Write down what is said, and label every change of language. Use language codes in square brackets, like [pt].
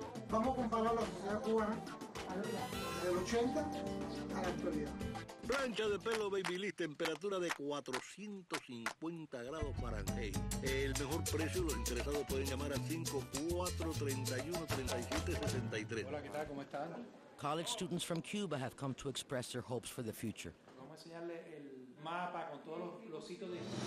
[es] Vamos a comparar la sociedad cubana del 80 a la actualidad. Plancha de pelo Babyliss, temperatura de 450 grados Fahrenheit. El mejor precio, los interesados pueden llamar a 54313763. Hola, ¿qué tal? ¿Cómo están? [en] College students from Cuba have come to express their hopes for the future. [es] Vamos a enseñarle el mapa con todos los sitios de...